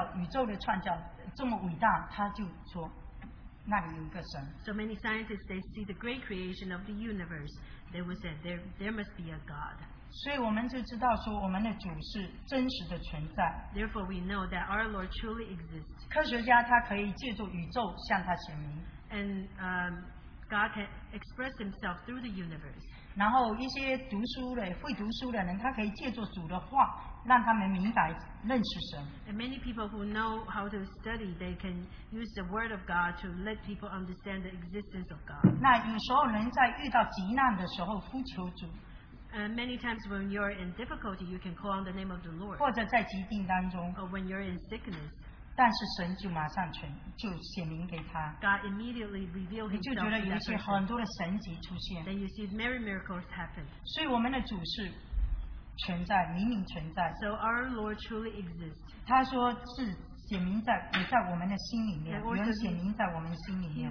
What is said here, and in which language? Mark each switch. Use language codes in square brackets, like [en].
[zh] 因为你看很多科学家一看到创造宇宙的创造这么伟大, 他就说, [en] so many scientists, they see the great creation of the universe, they will say there must be a God. [zh] 所以我们就知道说我们的主是真实的存在。 [en] Therefore we know that our Lord truly exists. [zh] 科学家他可以借助宇宙向他显明。 [en] And God can express himself through the universe. [zh] 然后一些读书的会读书的人他可以借助主的话让他们明白认识神。 [en] And many people who know how to study, they can use the word of God to let people understand the existence of God. [zh] 那有时候人在遇到急难的时候呼求主。 [en] And many times when you're in difficulty, you can call on the name of the Lord. [zh] 或者在疾病当中, [en] or when you're in sickness. [zh] 但是神就马上全就显明给他。 [en] God immediately revealed himself. [zh] 你就觉得有些很多的神迹出现。 [en] Then you see many miracles happen. [zh] 所以我们的主是存在，明明存在。 [en] So our Lord truly exists. [zh] 他说是显明在也在我们的心里面，原显明在我们心里面。